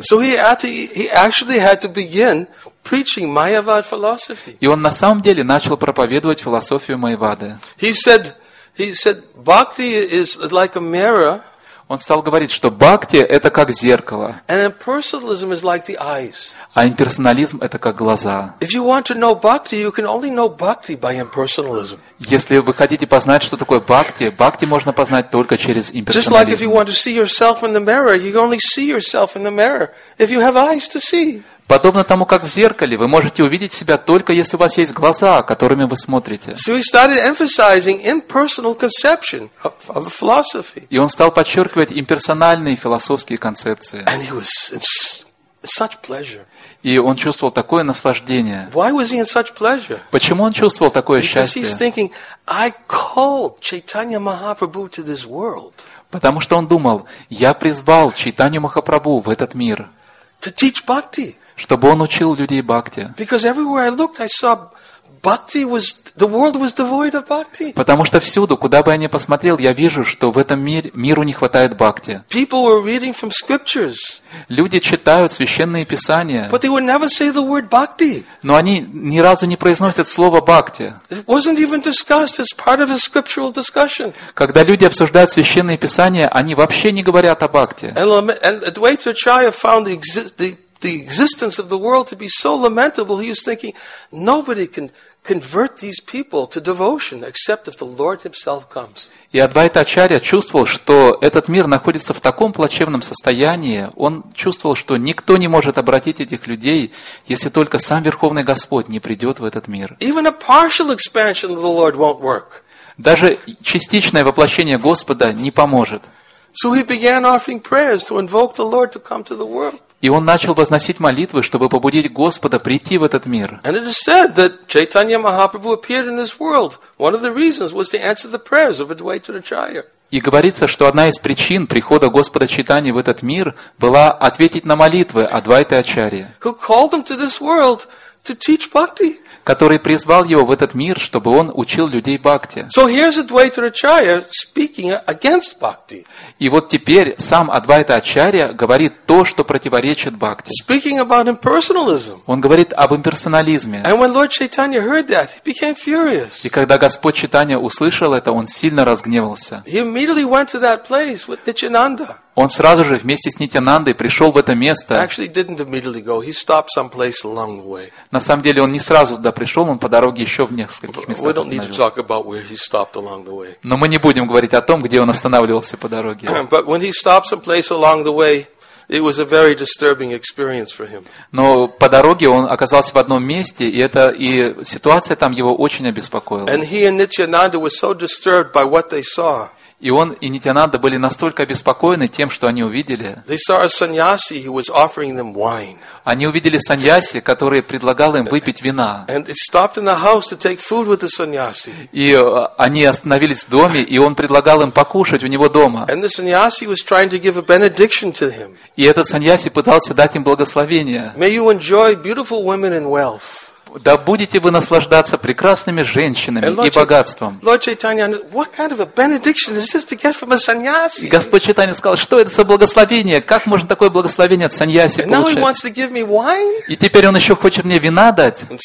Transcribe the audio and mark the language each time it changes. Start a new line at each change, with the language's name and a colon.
English: So he actually had to begin preaching Mayavad philosophy.
Russian: И он на самом деле начал проповедовать философию Майявады.
English: He said, bhakti is like a mirror.
Russian: Он стал говорить, что бхакти – это как зеркало.
English: And impersonalism is like the eyes.
Russian: А имперсонализм – это как глаза.
English: If you want to know bhakti, you can only know bhakti by impersonalism.
Russian: Если вы хотите познать, что такое бхакти, бхакти можно познать только через имперсонализм.
English: Just like if you want to see yourself in the mirror, you can only see yourself in the mirror if you have eyes to see.
Russian: Подобно тому, как в зеркале, вы можете увидеть себя только если у вас есть глаза, которыми вы смотрите.
English: So he started emphasizing impersonal conception of philosophy.
Russian: И он стал подчеркивать имперсональные философские концепции.
English: And he was in such pleasure.
Russian: И он чувствовал такое наслаждение.
English: Why was he in such pleasure?
Russian: Почему он чувствовал такое
English: Because
Russian: счастье?
English: He's thinking, I called Chaitanya Mahaprabhu to this world.
Russian: Потому что он думал, я призвал Чайтанью Махапрабху в этот мир.
English: To teach bhakti.
Russian: Чтобы он учил людей бхакти.
English: Because everywhere I looked, I saw bhakti was the world was devoid of bhakti.
Russian: Потому что всюду, куда бы я ни посмотрел, я вижу, что в этом мире миру не хватает бхакти.
English: People were reading from scriptures.
Russian: Люди читают священные писания.
English: But they would never say the word bhakti.
Russian: Но они ни разу не произносят слово бхакти.
English: It wasn't even discussed as part of a scriptural discussion.
Russian: Когда люди обсуждают священные писания, они вообще не говорят о бхакти.
English: And Advaita Acharya found the existence of the world to be so lamentable, he was thinking, nobody can convert these people to devotion except if the Lord himself comes.
Russian: И Адвайта Ачарья чувствовал, что этот мир находится в таком плачевном состоянии, он чувствовал, что никто не может обратить этих людей, если только сам Верховный Господь не придет в этот мир.
English: Even a partial expansion of the Lord won't work.
Russian: Даже частичное воплощение Господа не поможет.
English: So he began offering prayers to invoke the Lord to come to the world.
Russian: И он начал возносить молитвы, чтобы побудить Господа прийти в этот мир.
English: And it is said that Chaitanya Mahaprabhu appeared in this world. One of the reasons was to answer the prayers of Advaita Acharya.
Russian: И говорится, что одна из причин прихода Господа Чайтаньи в этот мир была ответить на молитвы Адвайты Ачарьи.
English: Who called him to this world to teach bhakti?
Russian: Который призвал его в этот мир, чтобы он учил людей бхакти.
English: So here's Advaita Acharya speaking against bhakti.
Russian: И вот теперь сам Адвайта Ачарья говорит то, что противоречит бхакти.
English: Speaking about impersonalism.
Russian: Он говорит об имперсонализме.
English: And when Lord Chaitanya heard that, he became furious.
Russian: И когда Господь Чайтанья услышал это, он сильно разгневался.
English: He immediately went to that place with Nityananda.
Russian: Он сразу же вместе с Нитянандой пришел в это место.
English: Actually, didn't immediately go. He stopped someplace along the way.
Russian: На самом деле, он не сразу туда пришел, он по дороге еще в нескольких местах
English: We don't need to talk about where he stopped along the way.
Russian: Но мы не будем говорить о том, где он останавливался по дороге.
English: But when he stopped someplace along the way, it was a very disturbing experience for him.
Russian: Но по дороге он оказался в одном месте, и это и ситуация там его очень обеспокоила.
English: And he and Nityananda were so disturbed by what they saw.
Russian: И он и Нитянанда были настолько обеспокоены тем, что они увидели.
English: They saw a sannyasi who was offering them wine.
Russian: Они увидели саньяси, который предлагал им выпить вина.
English: And it stopped in the house to take food with the sannyasi.
Russian: И они остановились в доме, и он предлагал им покушать у него дома.
English: And the sannyasi was trying to give a benediction to him.
Russian: И этот саньяси пытался дать им благословение.
English: May you enjoy beautiful women and wealth.
Russian: да будете вы наслаждаться прекрасными женщинами и богатством. И Господь Чайтанья сказал, что это за благословение? Как можно такое благословение от саньяси получать? И теперь он еще хочет мне вина дать?